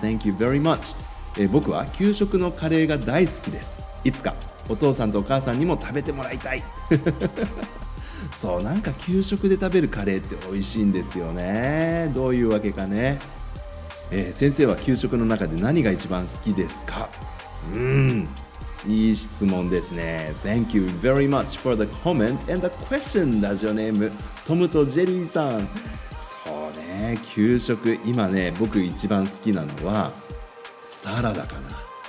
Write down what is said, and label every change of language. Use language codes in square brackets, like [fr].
[en] Thank you very much、 [ja] 僕は給食のカレーが大好きです。いつかお父さんとお母さんにも食べてもらいたいそう、なんか給食で食べるカレーって美味しいんですよね。どういうわけかね、先生は給食の中で何が一番好きですか。うん、いい質問ですね。 [en] Thank you very much for the comment and the question. [ja] ラジオネームトムとジェリーさん、そうね、給食今ね僕一番好きなのはサラダかな